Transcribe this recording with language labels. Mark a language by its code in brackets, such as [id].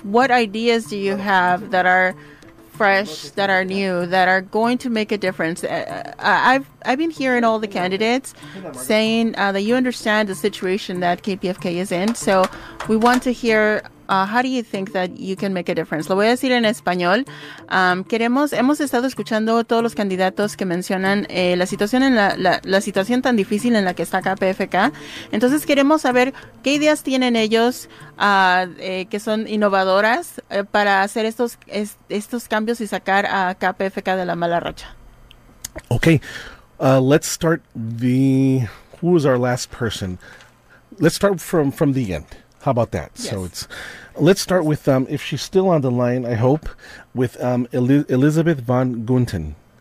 [en] What ideas do you have that are fresh, that are new, that are going to make a difference? I've been hearing all the candidates saying that you understand the situation that KPFK is in. So we want to hear, how do you think that you can make a difference? [es] Lo voy a decir en español. Hemos estado escuchando todos los candidatos que mencionan la situación tan difícil en la que está KPFK. Entonces queremos saber qué ideas tienen ellos que son innovadoras para hacer estos cambios y sacar a KPFK de la mala racha. [en] Okay, let's start who was our last person? Let's start from the end. How about that? Yes. So let's start with, if she's still on the line, I hope, with Elizabeth von Gunten.